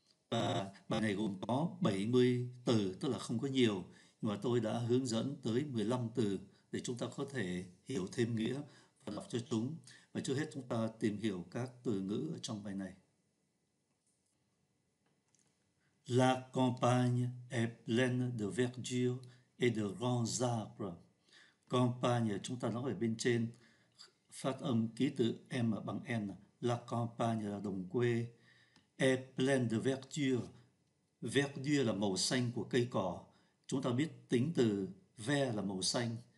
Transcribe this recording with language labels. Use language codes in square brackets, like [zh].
[vi] Và bài này gồm có 70 từ, tức là không có nhiều, nhưng mà tôi đã hướng dẫn tới 15 từ để chúng ta có thể hiểu thêm nghĩa và đọc cho chúng. Và trước hết chúng ta tìm hiểu các từ ngữ ở trong bài này. [fr] La campagne est pleine de verdure et de grands arbres. [vi] Campagne, chúng ta nói ở bên trên, phát âm ký tự M bằng N. [fr] La campagne [vi] là đồng quê. [fr] Est pleine de verdure. [vi] Verdure là màu xanh của cây cỏ. Chúng ta biết tính từ ver là màu xanh.